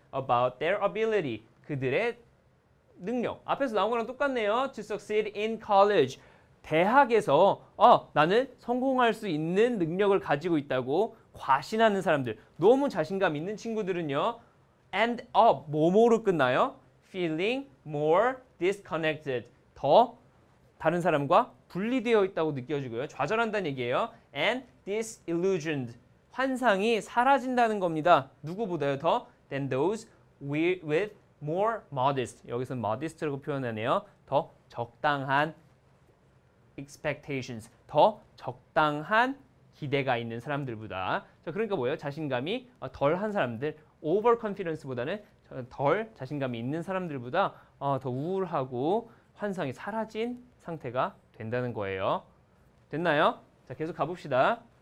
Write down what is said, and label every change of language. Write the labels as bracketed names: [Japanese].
[English] About their ability. [Korean] 그들의 능력. 앞에서 나온 거랑 똑같네요. [English] To succeed in college. [Korean] 대학에서 나는 성공할 수 있는 능력을 가지고 있다고 과신하는 사람들. 너무 자신감 있는 친구들은요. [English] End up [Korean] 뭐뭐로 끝나요? [English] Feeling more disconnected. [Korean] 더 다른 사람과 분리되어 있다고 느껴지고요. 좌절한다는 얘기예요. [English] And disillusioned. [Korean] 환상이 사라진다는 겁니다. 누구보다요? 더 [English] than those with more modest. [Korean] 여기서는 modest라고 표현하네요. 더 적당한 expectations. 더 적당한 기대가 있는 사람들보다. 자, 그러니까 뭐예요? 자신감이 덜한 사람들. overconfidence보다는 덜 자신감이 있는 사람들보다 더 우울하고 환상이 사라진 상태가 된다는 거예요. 됐나요? 자, 계속 가봅시다.